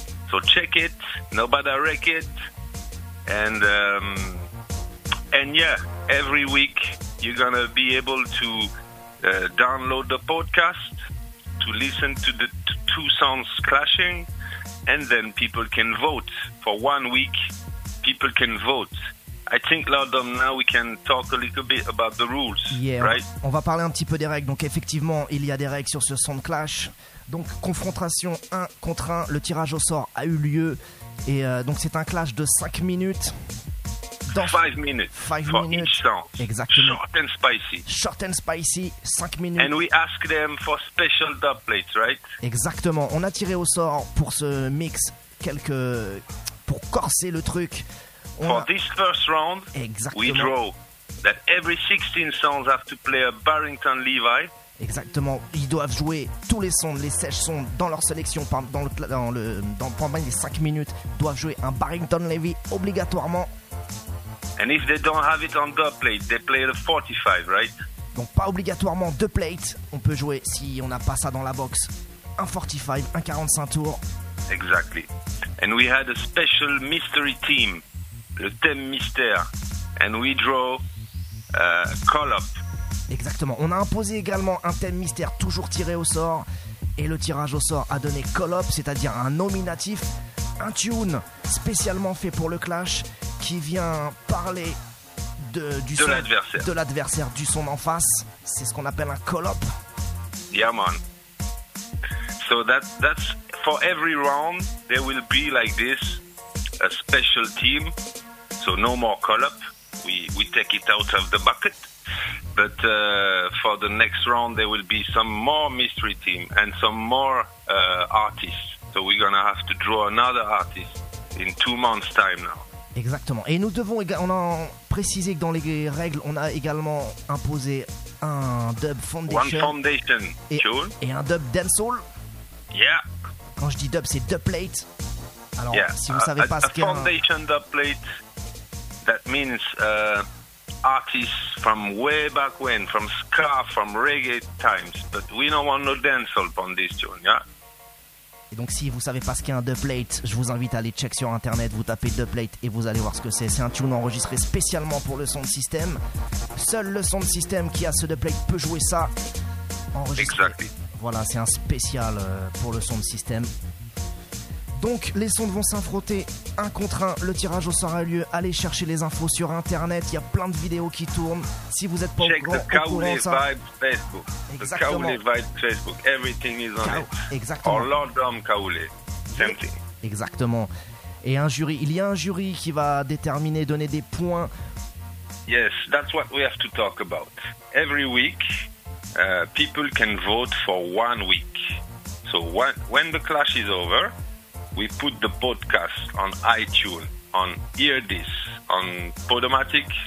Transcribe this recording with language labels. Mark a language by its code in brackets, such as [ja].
[en] So check it, nobody wreck it. And yeah, every week you're gonna be able to download the podcast to listen to the two sounds clashing, and then people can vote. For 1 week, people can vote. I think, Laudom, now we can talk a little bit about the rules, yeah, right? [fr] On va parler un petit peu des règles. Donc, effectivement, il y a des règles sur ce Sound Clash. Donc, confrontation 1 contre 1. Le tirage au sort a eu lieu. Et donc c'est un clash de 5 minutes. [en] 5 minutes each song. [fr] Exactement. [en] Short and spicy. Short and spicy, 5 minutes. And we ask them for special dub plates, right? [fr] Exactement. On a tiré au sort pour ce mix quelques. Pour corser le truc. [en] This first round, [fr] exactement. [en] We draw that every 16 songs have to play a Barrington Levi. [fr] Exactement. Ils doivent jouer tous les sons, les 16 sons dans leur sélection pendant les 5 minutes. Ils doivent jouer un Barrington Levi obligatoirement. [en] And if they don't have it on dub plate, they play the 45, right? [fr] Donc pas obligatoirement deux plates. On peut jouer, si on n'a pas ça dans la box, un 45, un 45 tours. [en] Exactly. And we had a special mystery team, [fr] le thème mystère. [en] And we draw call up. [fr] Exactement. On a imposé également un thème mystère toujours tiré au sort. Et le tirage au sort a donné call up, c'est-à-dire un nominatif, un tune spécialement fait pour le clash. Qui vient parler de l'adversaire, du son en face. C'est ce qu'on appelle un call-up. [en] Yeah, man. So that's for every round, there will be like this, a special team. So no more call-up. We take it out of the bucket. But for the next round, there will be some more mystery team and some more artists. So we're going to have to draw another artist in 2 months' time now. [fr] Exactement. Et nous devons on a précisé que dans les règles, on a également imposé un dub foundation et un dub dancehall. [en] Yeah. [fr] Quand je dis dub, c'est dub plate. Alors, yeah. Si vous savez pas ce qu'est [en] un foundation dub plate, that means artists from way back when, from ska, from reggae times, but we don't want no dancehall on this tune, yeah. [fr] Donc si vous savez pas ce qu'est un dubplate, je vous invite à aller check sur internet, vous tapez dubplate et vous allez voir ce que c'est. C'est un tune enregistré spécialement pour le sound system. Seul le sound system qui a ce dubplate peut jouer ça. Enregistré. [en] Exactly. [fr] Voilà, c'est un spécial pour le sound system. Donc les sons vont s'affronter un contre un. Le tirage au sort a lieu. Allez chercher les infos sur internet. Il y a plein de vidéos qui tournent. Si vous êtes pas [en] check [fr] au courant, [en] check the Kaoulé Vibes [fr] ça. [en] Facebook. [fr] Exactement. [en] The Kaoulé Vibes Facebook. Everything is on it. [fr] Exactement. [en] Or Lord Dom Kaoulé. Same thing. [fr] Exactement. Et un jury. Il y a un jury qui va déterminer, donner des points. [en] Yes, that's what we have to talk about. Every week, people can vote for 1 week. So when the clash is over, we put the podcast on iTunes, on EarThis, on Podomatic.